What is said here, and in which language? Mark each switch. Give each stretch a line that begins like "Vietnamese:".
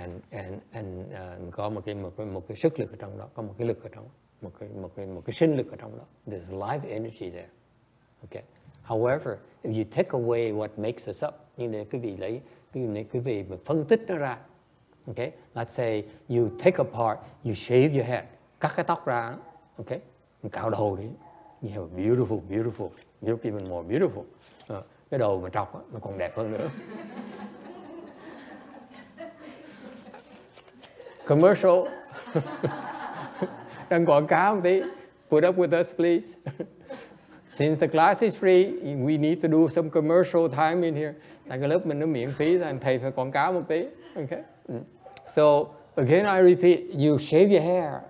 Vietnamese: And có một cái sức lực ở trong đó. Có một cái lực ở trong đó. Một cái sinh lực ở trong đó.
English: There's life energy there.
Vietnamese: Okay.
English: However, if you take away what makes us up,
Vietnamese: như này quý vị lấy, quý vị mà phân tích nó ra.
English: Okay. Let's say you take apart, you shave your head,
Vietnamese: cắt cái tóc ra.
English: Okay.
Vietnamese: Mình cạo đầu đi.
English: You have a beautiful, beautiful, you look even more beautiful.
Vietnamese: Cái đầu mà trọc nó còn đẹp hơn nữa. Commercial. Đang quảng cáo một tí.
English: Put up with us, please. Since the class is free, we need to do some commercial time in here.
Vietnamese: Tại cái lớp mình nó miễn phí, thì thầy phải quảng cáo một tí.
English: Okay. So, again, I repeat, you shave your hair.